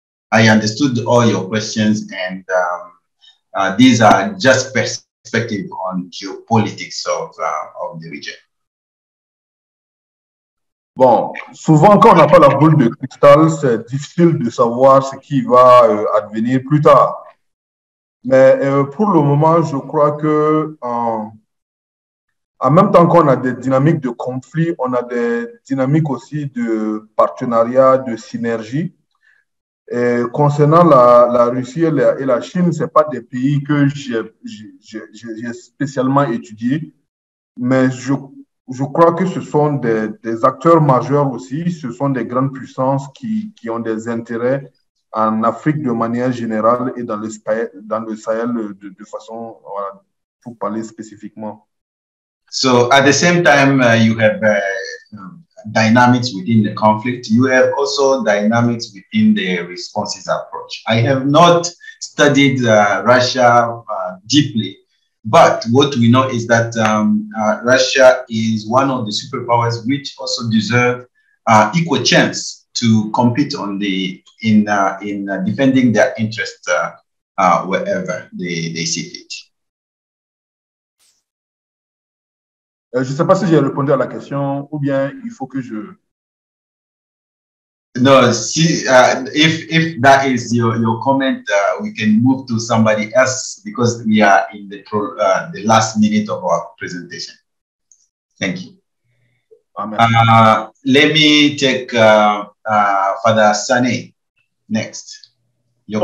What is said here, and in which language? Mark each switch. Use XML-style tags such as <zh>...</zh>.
<en>I understood all your questions, and these are just perspectives on geopolitics of the region.</en> <fr>Bon, souvent quand on n'a pas la boule de cristal, c'est difficile de savoir ce qui va advenir plus tard. Mais pour le moment, je crois que en même temps qu'on a des dynamiques de conflit, on a des dynamiques aussi de partenariat, de synergie. Et concernant la Russie et la Chine, c'est pas des pays que j'ai spécialement étudié, mais je crois que ce sont des acteurs majeurs aussi. Ce sont des grandes puissances qui ont des intérêts en Afrique de manière générale et dans le Sahel de façon, voilà, pour parler spécifiquement.</fr> <en>So at the same time, you have dynamics within the conflict, you have also dynamics within the responses approach. I have not studied Russia deeply, but what we know is that Russia is one of the superpowers which also deserve equal chance to compete on the in defending their interests wherever they see fit.</en> <fr>Je ne sais pas si j'ai répondu à la question ou bien il faut que je.</fr> <en>No, si, if that is your comment, we can move to somebody else because we are in the last minute of our presentation. Thank you. Amen. Let me take Father Sane next. Your</en>